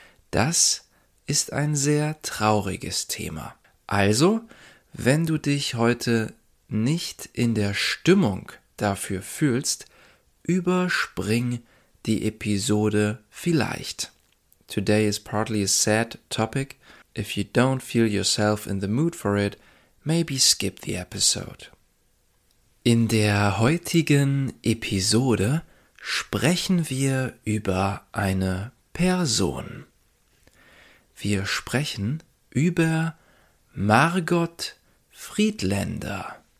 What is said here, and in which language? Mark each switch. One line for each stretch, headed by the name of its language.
German: Das ist ein sehr trauriges Thema. Also, wenn du dich heute nicht in der Stimmung dafür fühlst, überspring die Episode vielleicht.
English: Today is partly a sad topic. If you don't feel yourself in the mood for it, maybe skip the episode.
German: In der heutigen Episode sprechen wir über eine Person. Wir sprechen über Margot Friedländer.